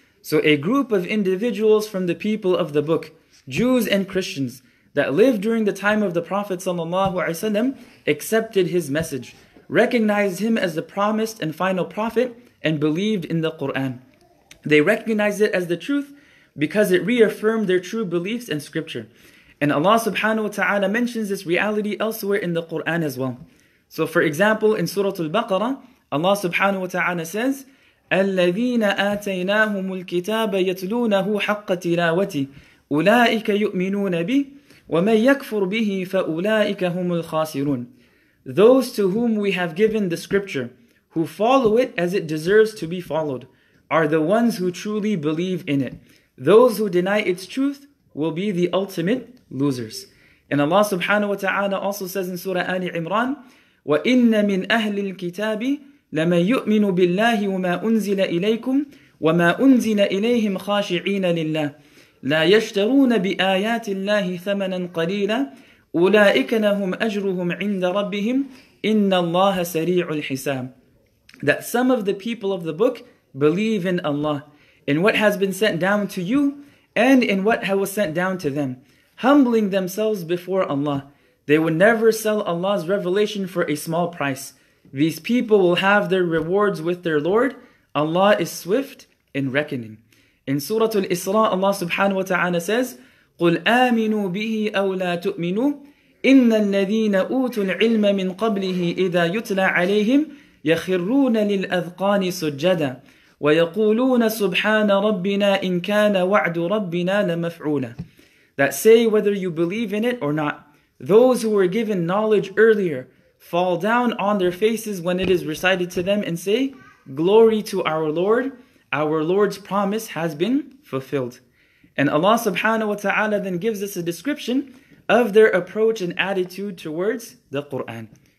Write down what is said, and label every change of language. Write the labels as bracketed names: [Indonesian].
[English] So a group of individuals from the people of the book, Jews and Christians, that lived during the time of the Prophet sallallahu alayhi wa sallam, accepted his message, recognized him as the promised and final prophet, and believed in the Qur'an. They recognized it as the truth because it reaffirmed their true beliefs in scripture. And Allah subhanahu wa ta'ala mentions this reality elsewhere in the Qur'an as well. So for example, in Surah Al-Baqarah, Allah subhanahu wa ta'ala says, [Arabic] الَّذِينَ آتَيْنَاهُمُ الْكِتَابَ يَتْلُونَهُ حَقَّ تِلَاوَتِي أُولَٰئِكَ يُؤْمِنُونَ بِهِ وَمَنْ يَكْفُرْ بِهِ فَأُولَٰئِكَ هُمُ الْخَاسِرُونَ. [English] Those to whom we have given the scripture, who follow it as it deserves to be followed, are the ones who truly believe in it. Those who deny its truth will be the ultimate losers. And Allah subhanahu wa ta'ala also says in Surah Ali Imran, [Arabic] وَإِنَّ مِنْ أَهْلِ الْكِتَابِ لَمَنْ يُؤْمِنُ بِاللَّهِ وَمَا أُنزِلَ إِلَيْكُمْ وَمَا أُنزِلَ إِلَيْهِمْ خَاشِعِينَ لِلَّهِ لَا يَشْتَرُونَ بِآيَاتِ اللَّهِ ثَمَنًا قَلِيلًا أُولَٰئِكَ لَهُمْ أَجْرُهُمْ عِنْدَ رَبِّهِمْ إِنَّ اللَّهَ سَرِيعُ الْحِسَابِ. [English] That some of the people of the book believe in Allah, in what has been sent down to you, and in what was sent down to them, humbling themselves before Allah. They will never sell Allah's revelation for a small price. These people will have their rewards with their Lord. Allah is swift in reckoning. In Surah Al-Isra, Allah subhanahu wa ta'ala says, [Arabic] قُلْ آمِنُوا بِهِ أَوْ لَا تُؤْمِنُوا إِنَّ الَّذِينَ أُوتُوا الْعِلْمَ مِنْ قَبْلِهِ إِذَا يُتْلَى عَلَيْهِمْ يَخِرُّونَ لِلْأَذْقَانِ سُجَّدًا وَيَقُولُونَ سُبْحَانَ رَبِّنَا إِنْ كَانَ وَعْدُ رَبِّنَا لَمَفْعُولًا. [English] That say whether you believe in it or not, those who were given knowledge earlier fall down on their faces when it is recited to them and say, "Glory to our Lord, our Lord's promise has been fulfilled." And Allah subhanahu wa ta'ala then gives us a description of their approach and attitude towards the Qur'an.